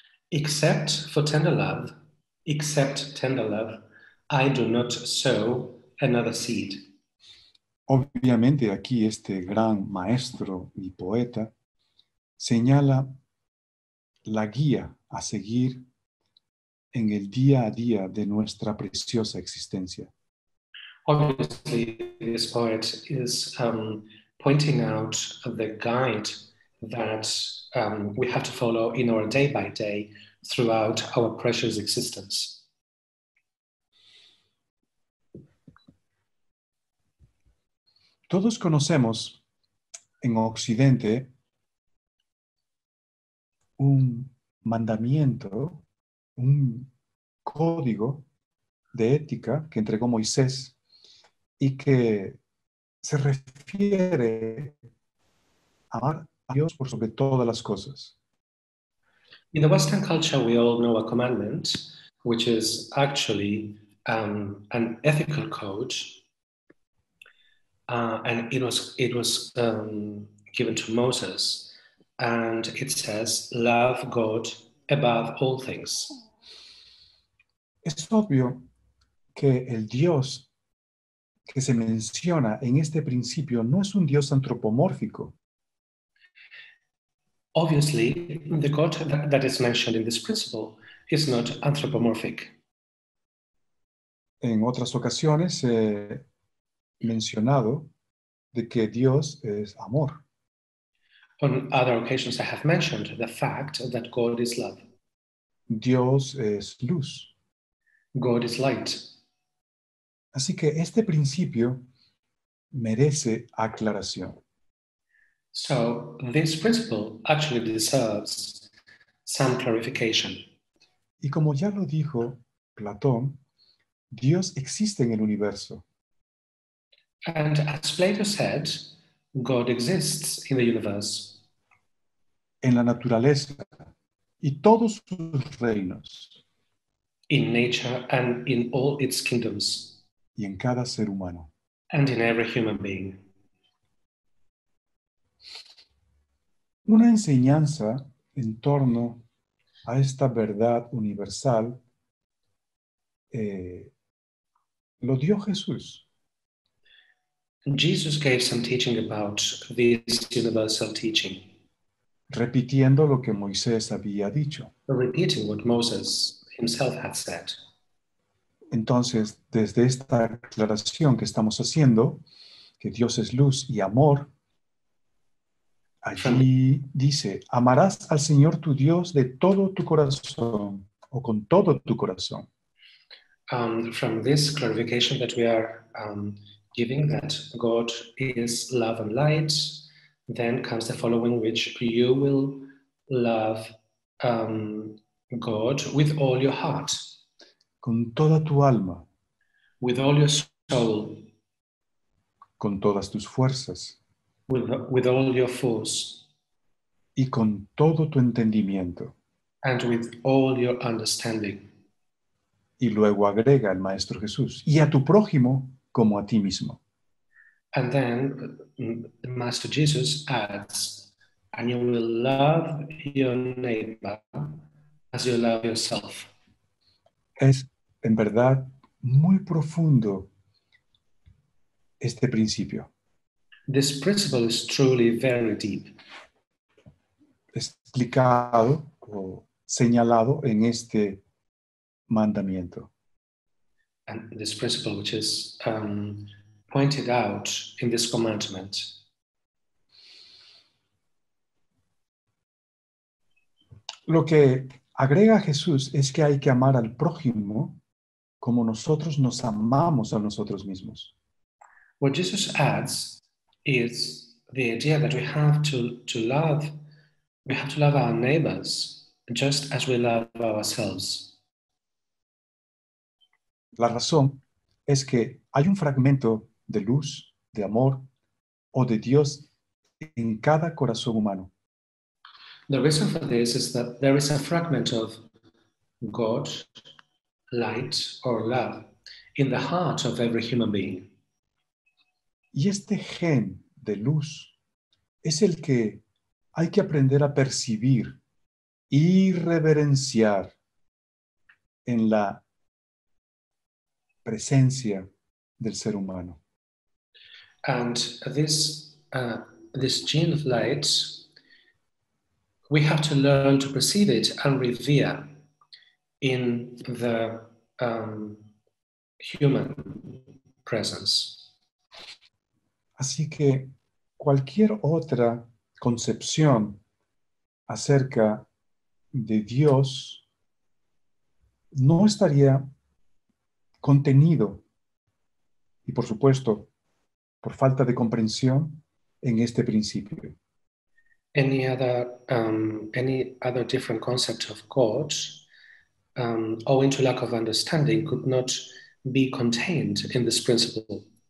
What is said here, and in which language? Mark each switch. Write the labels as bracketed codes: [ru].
[en] Except for tender love, except tender love, I do not sow another seed. [es] Obviamente aquí este gran maestro y poeta señala la guía a seguir en el día a día de nuestra preciosa existencia. [en] Obviously, this poet is pointing out the guide that we have to follow in our day by day throughout our precious existence. [es] Todos conocemos en Occidente un mandamiento, un código de ética que entregó Moisés y que se refiere a amar a Dios por sobre todas las cosas. [en] In the Western culture, we all know a commandment, which is actually an ethical code. And it was given to Moses, and it says, love God above all things. [es] Es obvio que el Dios que se menciona en este principio no es un Dios antropomórfico. [en] Obviously, the God that is mentioned in this principle is not anthropomorphic. [es] En otras ocasiones he mencionado de que Dios es amor. [en] On other occasions, I have mentioned the fact that God is love. [es] Dios es luz. [en] God is light. [es] Así que este principio merece aclaración. [en] So this principle actually deserves some clarification. [es] Y como ya lo dijo Platón, Dios existe en el universo. [en] And as Plato said, God exists in the universe. [es] En la naturaleza y todos sus reinos. [en] In nature and in all its kingdoms. [es] Y en cada ser humano. [en] And in every human being. [es] Una enseñanza en torno a esta verdad universal lo dio Jesús. [en] Jesus gave some teaching about this universal teaching. [es] Repitiendo lo que Moisés había dicho. [en] Repeating what Moses himself had said. [es] Entonces, desde esta aclaración que estamos haciendo, que Dios es luz y amor, allí dice, amarás al Señor tu Dios de todo tu corazón o con todo tu corazón. [en] From this clarification that we are giving, that God is love and light, then comes the following, which you will love God with all your heart. [es] Con toda tu alma. [en] With all your soul. [es] Con todas tus fuerzas. [en] With all your force. [es] Y con todo tu entendimiento. [en] And with all your understanding. [es] Y luego agrega el Maestro Jesús, y a tu prójimo como a ti mismo. [en] And then Master Jesus adds, and you will love your neighbor as you love yourself. [es] Es en verdad muy profundo este principio. [en] This principle is truly very deep. [es] Explicado o señalado en este mandamiento. [en] And this principle, which is pointed out in this commandment. [es] Lo que agrega Jesús es que hay que amar al prójimo como nosotros nos amamos a nosotros mismos. [en] What Jesus adds is the idea that we have to love our neighbors just as we love ourselves. [es] La razón es que hay un fragmento de luz, de amor o de Dios en cada corazón humano. [en] The reason for this is that there is a fragment of God, light or love in the heart of every human being. [es] Y este gen de luz es el que hay que aprender a percibir y reverenciar en la presencia del ser humano. [en] And this gene of light, we have to learn to perceive it and revere in the human presence. [es] Así que cualquier otra concepción acerca de Dios no estaría contenido, y por supuesto, por falta de comprensión, en este principio. [en] Any other different concept of God, owing to lack of understanding, could not be contained in this principle.